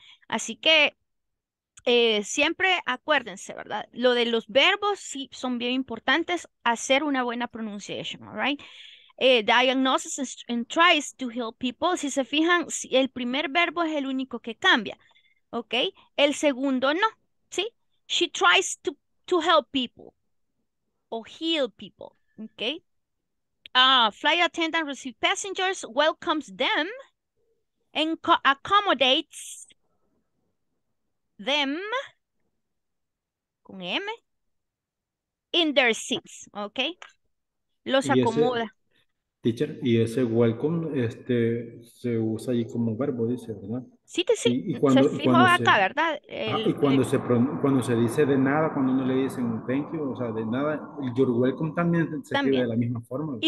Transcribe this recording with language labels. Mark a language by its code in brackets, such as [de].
[es] Así que siempre acuérdense, ¿verdad? Lo de los verbos sí son bien importantes, hacer una buena pronunciation, [en] ¿all right? Diagnosis and tries to help people. [es] Si se fijan, el primer verbo es el único que cambia, ¿ok? El segundo no, ¿sí? [en] She tries to help people o heal people, ¿ok? Flight attendant receives passengers, welcomes them, and accommodates them [es] con M [en] in their seats, ¿ok? [es] Los acomoda. Teacher, y ese welcome se usa allí como verbo, dice, ¿verdad? Sí, sí, sí. ¿Verdad? Cuando se dice de nada, cuando uno le dice un thank you, o sea, de nada, [en] you're welcome [es] también se escribe de la misma forma. ¿Verdad?